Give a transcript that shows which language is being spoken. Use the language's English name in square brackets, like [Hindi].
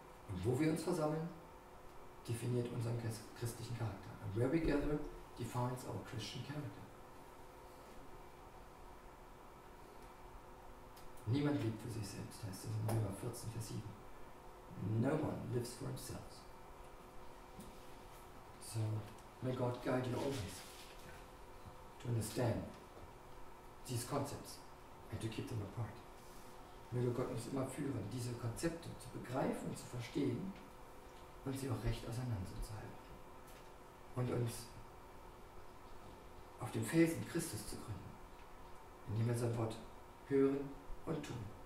[German] Und wo wir uns versammeln, definiert unseren christlichen Charakter. [English] And where we gather defines our Christian character. [German] Niemand lebt für sich selbst, heißt es in Römer 14, Vers 7. [English] No one lives for himself. So, may God guide you always to understand these concepts and to keep them apart. [German] Möge Gott uns immer führen, diese Konzepte zu begreifen und zu verstehen und sie auch recht auseinanderzuhalten. Und uns auf dem Felsen Christus zu gründen, indem wir sein Wort hören und tun.